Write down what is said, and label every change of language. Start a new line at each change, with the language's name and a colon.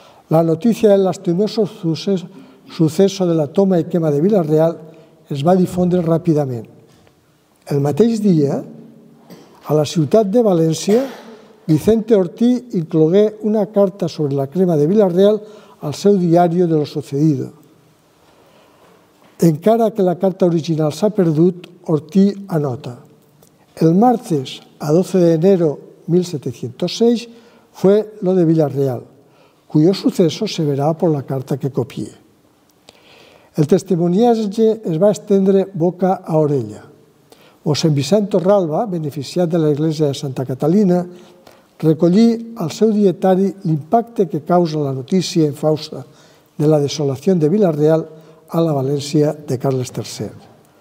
Catalan: La notícia del
Spanish: lastimoso suceso
Catalan: de la toma i quema de Vila-real es va difondre ràpidament. El mateix dia, a la ciutat de València, Vicente Ortí inclogué una carta sobre la crema de Vila-real al seu diari de lo sucedido. Encara que la carta original s'ha perdut, Ortí anota:
Spanish: el martes a 12 de enero 1706 fue lo de Vila-real, cuyo suceso se verá por la carta que copié.
Catalan: El testimoniatge es va estendre boca a orella. Mossèn Vicent Torralba, beneficiat de l'Església de Santa Catalina, recollí al seu dietari l'impacte que causa la notícia infausta de la desolació de Vila-real a la València de Carles III.